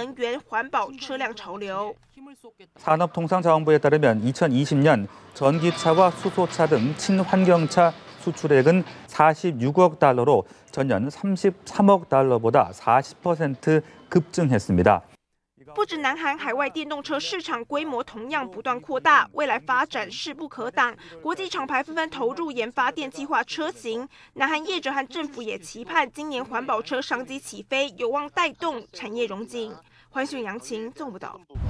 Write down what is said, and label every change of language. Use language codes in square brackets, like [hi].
[zh] 找不出问题，民众相当无奈，花了大笔钞票买电动车，却无法充电。一连串破网文章全都在抱怨充电站诸多问题。也有记者实际到现场，发现5台机器中就有2台故障，因此政府预计今年上半年再添100多个充电站，因应新能源环保车辆潮流。 [ko] 산업통상자원부에 따르면 2020년 친환경차 수출액은 46억 달러로 전년 33억 달러보다 40% 급증했습니다. [zh] 不止南韩，海外电动车市场规模同样不断扩大，未来发展势不可挡。国际厂牌纷纷投入研发电气化车型，南韩业者和政府也期盼今年环保车商机起飞，有望带动产业融资。欢迎杨晴，纵不到。